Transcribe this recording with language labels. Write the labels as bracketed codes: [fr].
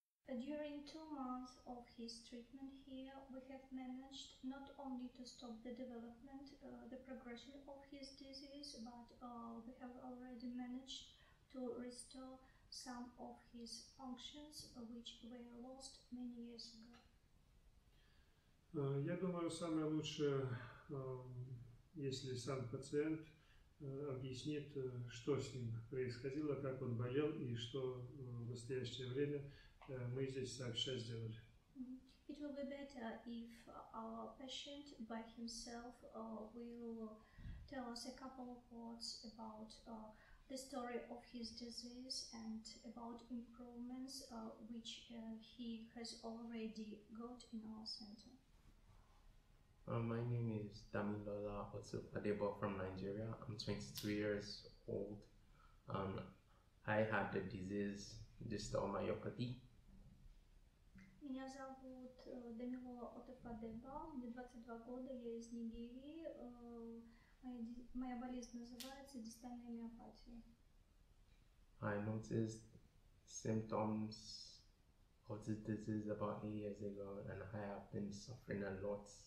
[en] During 2 months of his treatment here, we have managed not only to stop the development, the progression of his disease, but we have already managed to restore some of his functions, which were lost many years ago. [ru] Я думаю, самое лучшее, если сам пациент объяснит, что с ним происходило, как он болел и что в настоящее время мы здесь сообща сделали. [en] It will be better if our patient by himself will tell us a couple of words about the story of his disease and about improvements which he has already got in our center. My name is Damilola Otsu-Adebo from Nigeria. I'm 23 years old. I have the disease distal myopathy. [ru] Меня зовут Дамилола Отсу-Адебо, мне 22 года, я из Нигерии. Моя болезнь называется дистальная миопатия. [en] I noticed symptoms of this disease about 8 years ago and I have been suffering a lot.